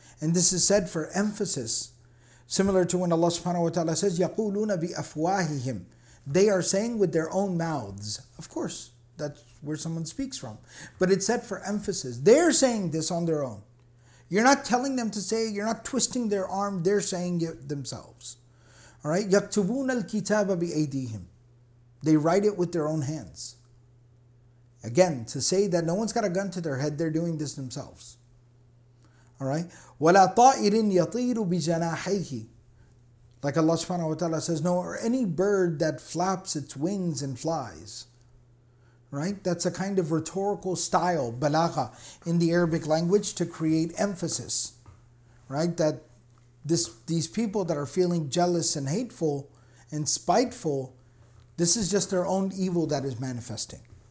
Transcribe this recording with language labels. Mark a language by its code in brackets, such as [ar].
[en] And this is said for emphasis. Similar to when Allah subhanahu wa ta'ala says, [ar] يَقُولُونَ بِأَفْوَاهِهِمْ. [en] They are saying with their own mouths. Of course, that's where someone speaks from. But it's said for emphasis. They're saying this on their own. You're not telling them to say, you're not twisting their arm, they're saying it themselves. All right, [ar] يَكْتُبُونَ الْكِتَابَ بِأَيْدِيهِمْ. [en] They write it with their own hands. Again, to say that no one's got a gun to their head, they're doing this themselves. All right, [ar] وَلَا طَائِرٍ يَطِيرُ بِجَنَاحَيْهِ. [en] Like Allah subhanahu wa ta'ala says, no, or any bird that flaps its wings and flies. Right? That's a kind of rhetorical style, balagha, in the Arabic language to create emphasis. Right? That these people that are feeling jealous and hateful and spiteful, this is just their own evil that is manifesting.